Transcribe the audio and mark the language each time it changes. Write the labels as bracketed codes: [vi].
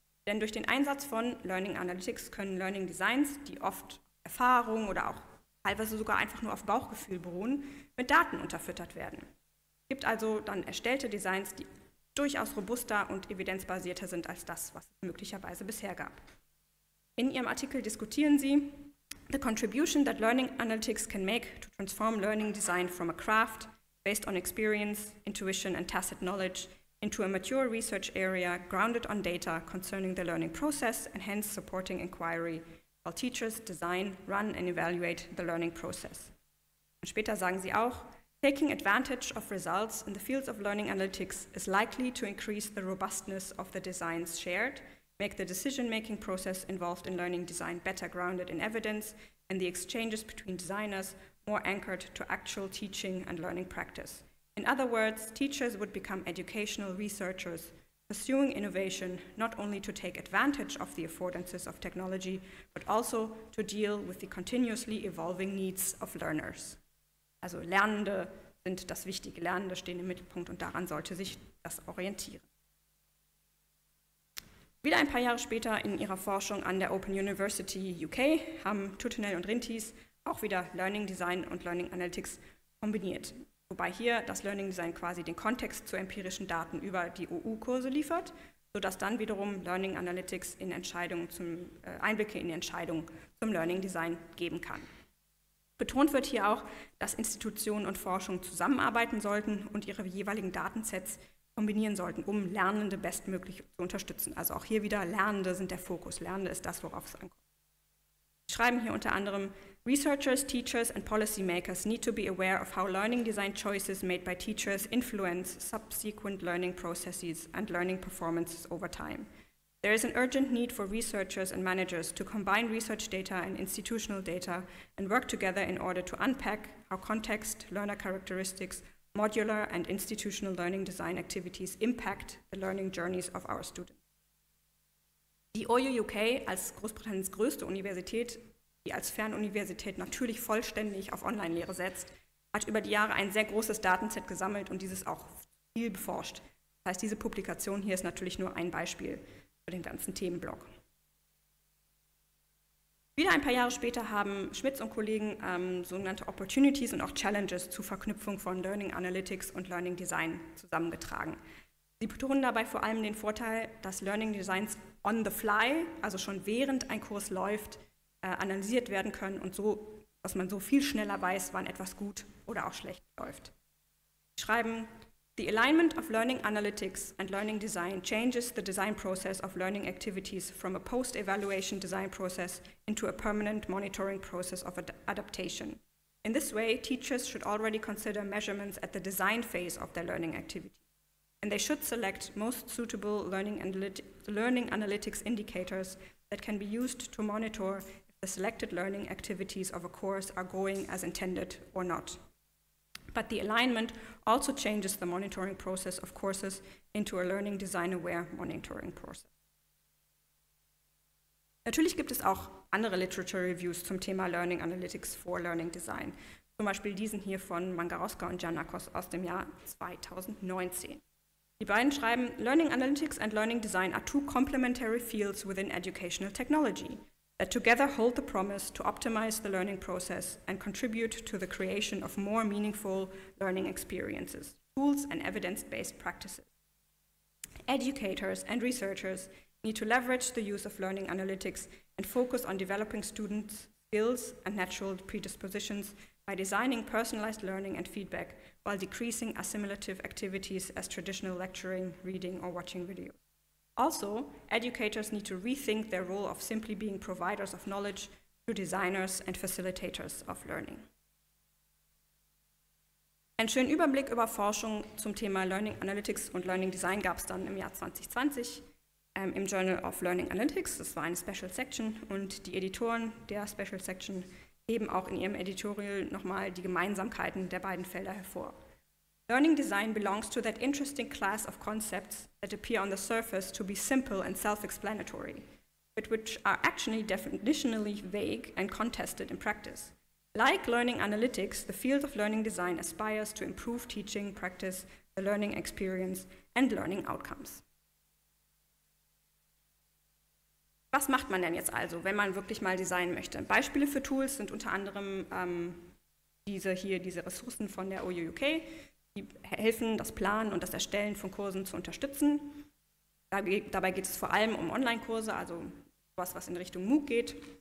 [de] Denn durch den Einsatz von Learning Analytics können Learning Designs, die oft Erfahrung oder auch teilweise sogar einfach nur auf Bauchgefühl beruhen, mit Daten unterfüttert werden. Es gibt also dann erstellte Designs, die durchaus robuster und evidenzbasierter sind als das, was es möglicherweise bisher gab. In ihrem Artikel diskutieren sie, [en] the contribution that learning analytics can make to transform learning design from a craft based on experience, intuition and tacit knowledge into a mature research area grounded on data concerning the learning process and hence supporting inquiry while teachers design, run and evaluate the learning process. [de] Und später sagen sie auch, [en] taking advantage of results in the fields of learning analytics is likely to increase the robustness of the designs shared, make the decision-making process involved in learning design better grounded in evidence and the exchanges between designers more anchored to actual teaching and learning practice. In other words, teachers would become educational researchers, pursuing innovation not only to take advantage of the affordances of technology, but also to deal with the continuously evolving needs of learners. [de] Also Lernende sind das wichtige, Lernende stehen im Mittelpunkt und daran sollte sich das orientieren. Wieder ein paar Jahre später in ihrer Forschung an der Open University UK haben Tutinel und Rintis auch wieder Learning Design und Learning Analytics kombiniert, wobei hier das Learning Design quasi den Kontext zu empirischen Daten über die OU-Kurse liefert, sodass dann wiederum Learning Analytics in Entscheidungen zum Einblicke in die Entscheidung zum Learning Design geben kann. Betont wird hier auch, dass Institutionen und Forschung zusammenarbeiten sollten und ihre jeweiligen Datensets kombinieren sollten, um Lernende bestmöglich zu unterstützen. Also auch hier wieder, Lernende sind der Fokus. Lernende ist das, worauf es ankommt. Sie schreiben hier unter anderem, [en] Researchers, teachers and policymakers need to be aware of how learning design choices made by teachers influence subsequent learning processes and learning performances over time. There is an urgent need for researchers and managers to combine research data and institutional data and work together in order to unpack how context, learner characteristics, modular and institutional learning design activities impact the learning journeys of our students. [de] Die OU UK als Großbritanniens größte Universität, die als Fernuniversität natürlich vollständig auf Online-Lehre setzt, hat über die Jahre ein sehr großes Datenset gesammelt und dieses auch viel beforscht. Das heißt, diese Publikation hier ist natürlich nur ein Beispiel für den ganzen Themenblock. Wieder ein paar Jahre später haben Schmitz und Kollegen sogenannte Opportunities und auch Challenges zur Verknüpfung von Learning Analytics und Learning Design zusammengetragen. Sie betonen dabei vor allem den Vorteil, dass Learning Designs [en] on the fly, [de] also schon während ein Kurs läuft, analysiert werden können und so, dass man so viel schneller weiß, wann etwas gut oder auch schlecht läuft. Sie schreiben, [en] the alignment of learning analytics and learning design changes the design process of learning activities from a post-evaluation design process into a permanent monitoring process of adaptation. In this way, teachers should already consider measurements at the design phase of their learning activity, and they should select most suitable learning analytics indicators that can be used to monitor if the selected learning activities of a course are going as intended or not. But the alignment also changes the monitoring process of courses into a learning design aware monitoring process. [de] Natürlich gibt es auch andere Literature Reviews zum Thema Learning Analytics for Learning Design. Zum Beispiel diesen hier von Mangarowska und Giannakos aus dem Jahr 2019. Die beiden schreiben, [en] Learning Analytics and Learning Design are two complementary fields within educational technology that together hold the promise to optimize the learning process and contribute to the creation of more meaningful learning experiences, tools and evidence-based practices. Educators and researchers need to leverage the use of learning analytics and focus on developing students' skills and natural predispositions by designing personalized learning and feedback while decreasing assimilative activities as traditional lecturing, reading or watching videos. Also, educators need to rethink their role of simply being providers of knowledge to designers and facilitators of learning. [de] Einen schönen Überblick über Forschung zum Thema Learning Analytics und Learning Design gab es dann im Jahr 2020 im Journal of Learning Analytics. Das war eine Special Section und die Editoren der Special Section heben auch in ihrem Editorial nochmal die Gemeinsamkeiten der beiden Felder hervor. [en] Learning design belongs to that interesting class of concepts that appear on the surface to be simple and self-explanatory, but which are actually definitionally vague and contested in practice. Like learning analytics, the field of learning design aspires to improve teaching practice, the learning experience and learning outcomes. [de] Was macht man denn jetzt also, wenn man wirklich mal designen möchte? Beispiele für Tools sind unter anderem diese Ressourcen von der OU UK. Die helfen, das Planen und das Erstellen von Kursen zu unterstützen. Dabei geht es vor allem um Online-Kurse, also sowas, was in Richtung MOOC geht.